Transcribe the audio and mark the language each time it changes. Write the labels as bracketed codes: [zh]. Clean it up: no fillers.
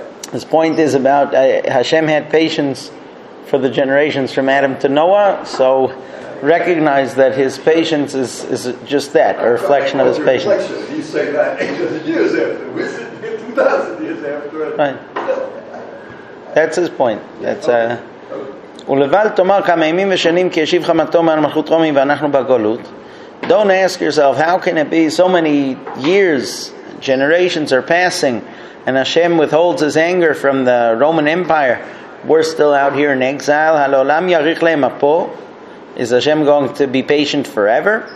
[en] His point is about Hashem had patience for the generations from Adam to Noah, so recognize that his patience is just that, a reflection of his patience. You say that 800 years after, we said 2,000 years after. Right. That's his point. [he] That's ולבל תאמר כמה ימים ושנים כי ישיב חמתו מהמלכות רומי ואנחנו בגלות. [en] Don't ask yourself, how can it be so many years, generations are passing, and Hashem withholds his anger from the Roman Empire. We're still out here in exile. [he] Halolam yarich le'mapo. [en] Is Hashem going to be patient forever?